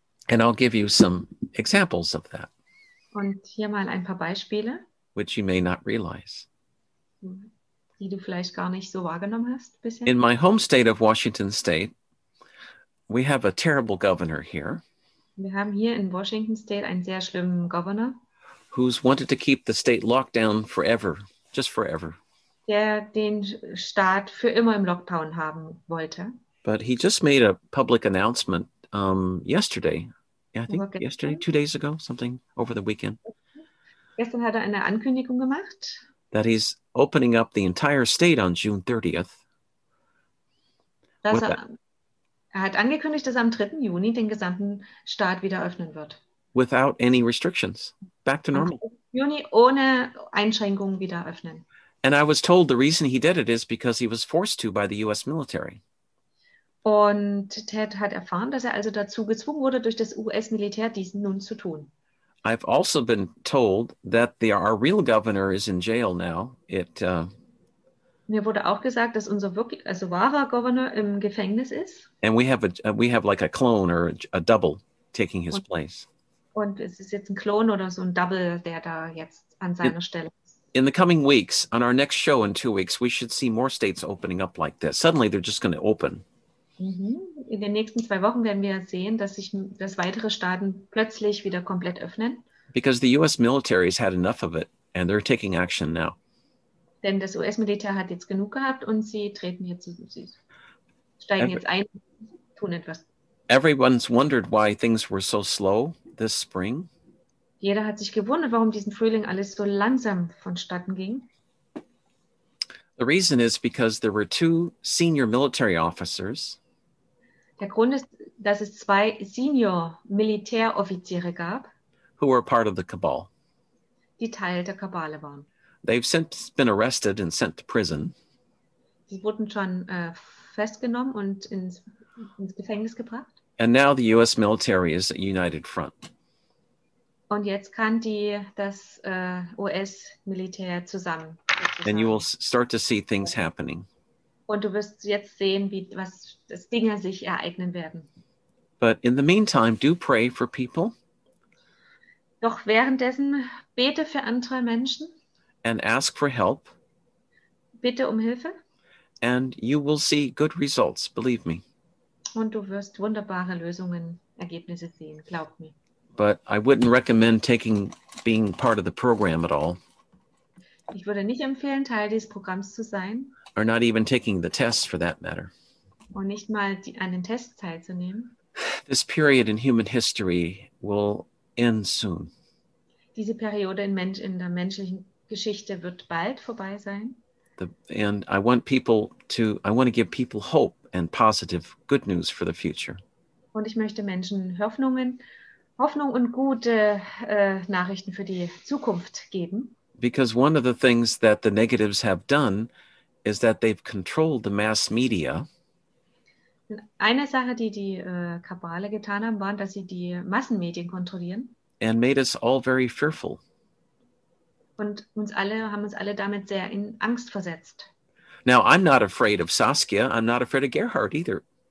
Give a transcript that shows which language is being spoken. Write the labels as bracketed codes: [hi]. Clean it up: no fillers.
[en] And I'll give you some examples of that. [de] Und hier mal ein paar Beispiele. [en] Which you may not realize. [de] Die du vielleicht gar nicht so wahrgenommen hast bisher. [en] In my home state of Washington State, we have a terrible governor here. [de] Wir haben hier in Washington State einen sehr schlimmen Governor. [en] Who's wanted to keep the state locked down forever, just forever. [de] Der den Staat für immer im Lockdown haben wollte. [en] But he just made a public announcement yesterday. Yeah, I think yesterday, 2 days ago, something over the weekend. [de] Gestern hat er eine Ankündigung gemacht. [en] That he's opening up the entire state on June 30th. [de] Er hat angekündigt, dass er am 3. Juni den gesamten Staat wieder öffnen wird. [en] Without any restrictions. Back to normal. [de] Juni ohne Einschränkungen wieder öffnen. [en] And I was told the reason he did it is because he was forced to by the U.S. military. [de] Und Ted hat erfahren, dass er also dazu gezwungen wurde, durch das US-Militär dies nun zu tun. [en] I've also been told that our real governor is in jail now. [de] Mir wurde auch gesagt, dass unser wahrer Governor im Gefängnis ist. [en] And we have like a clone or a double taking his place. [de] Und es ist jetzt ein Klon oder so ein Double, der da jetzt an seiner Stelle ist. [en] In the coming weeks, on our next show in 2 weeks, we should see more states opening up like this. Suddenly they're just going to open. [de] In den nächsten 2 Wochen werden wir sehen, dass weitere Staaten plötzlich wieder komplett öffnen. [en] Because the US military has had enough of it and they're taking action now. [de] Denn das US-Militär hat jetzt genug gehabt und sie steigen jetzt ein, tun etwas. [en] Everyone's wondered why things were so slow this spring. [de] Jeder hat sich gewundert, warum diesen Frühling alles so langsam vonstatten ging. [en] The reason is because there were two senior military officers. [de] Der Grund ist, dass es zwei senior Militäroffiziere gab, [en] who were part of the cabal. [de] Die Teil der Kabale waren. [en] They've since been arrested and sent to prison. [de] Sie wurden schon festgenommen und ins Gefängnis gebracht. [en] And now the US military is at united front. [de] Und jetzt kann das US-Militär zusammen. [en] And you will start to see things happening. [de] Und du wirst jetzt sehen, dass Dinge sich ereignen werden. [en] But in the meantime, do pray for people. [de] Doch währenddessen bete für andere Menschen. [en] And ask for help. [de] Bitte um Hilfe. [en] And you will see good results, believe me. [de] Und du wirst wunderbare Lösungen, Ergebnisse sehen, glaub mir. [en] But I wouldn't recommend being part of the program at all. [de] Ich würde nicht empfehlen, Teil dieses Programms zu sein. [en] Or not even taking the test for that matter. [de] Und nicht mal einen Test teilzunehmen. [en] This period in human history will end soon. [de] Diese Periode in der menschlichen Geschichte wird bald vorbei sein. [en] And I want to give people hope and positive good news for the future. [de] Und ich möchte Menschen Hoffnung und gute Nachrichten für die Zukunft geben. [en] Because one of the things that the negatives have done is that they've controlled the mass media. [de] Eine Sache, die die Kabale getan haben, war, dass sie die Massenmedien kontrollieren. [en] And made us all very fearful. [de] Und haben uns alle damit sehr in Angst versetzt. [en] Now, I'm not afraid of Saskia. I'm not afraid of Gerhard either.